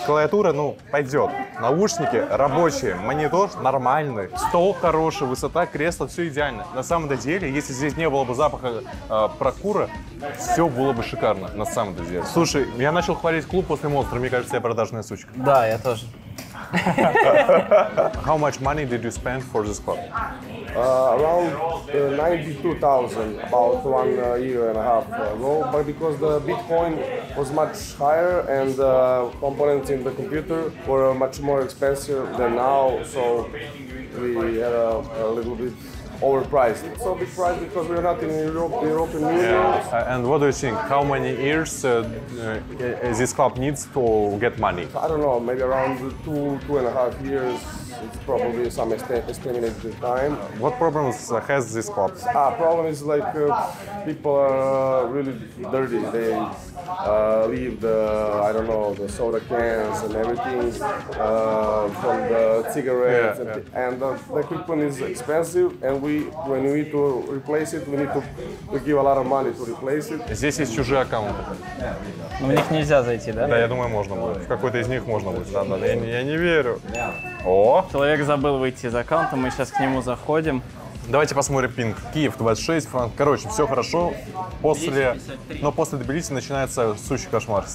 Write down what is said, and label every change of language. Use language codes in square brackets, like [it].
[ru] Клавиатура, ну, пойдет. Наушники рабочие, монитор нормальный. Стол хороший, высота кресла, все идеально. На самом деле, если здесь не было бы запаха прокура, все было бы шикарно, на самом деле. Слушай, я начал хвалить клуб после монстра, мне кажется, я продажная сучка. Да, я тоже. [en] How much money did you spend for this club? Around 92,000, about 1 year and a half ago, but because the Bitcoin was much higher and the components in the computer were much more expensive than now, so we had a little bit overpriced. It's so big price because we're not in European Union. Yeah. And what do you think? How many years this club needs to get money? I don't know, maybe around two and a half years. It's probably some estimated time. What problems has this club? Problem is like people are really dirty. They leave the, I don't know, the soda cans and everything from the cigarettes. Yeah. And the equipment is expensive, and when we need to replace it, we need to give a lot of money to replace it. [ru] Здесь есть чужие аккаунты. Но в них нельзя зайти, да? Да, я думаю, можно будет. В какой-то из них можно будет. Да, да, да. Я не верю. О! Человек забыл выйти из аккаунта, мы сейчас к нему заходим. Давайте посмотрим пинг. Киев 26, франк. Короче, все хорошо. После, но после Тбилиси начинается сущий кошмар.